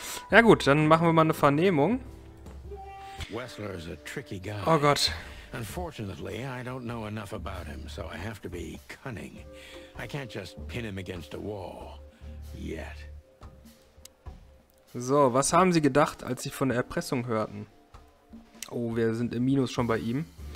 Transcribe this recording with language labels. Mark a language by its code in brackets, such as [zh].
[de] Ja gut, dann machen wir mal eine Vernehmung. [en] Wessler is a tricky guy. [de] Oh Gott. [en] Unfortunately, I don't know enough about him, so I have to be cunning. I can't just pin him against a wall. Yet. [de] So, was haben Sie gedacht, als Sie von der Erpressung hörten? Oh, wir sind im Minus schon bei ihm.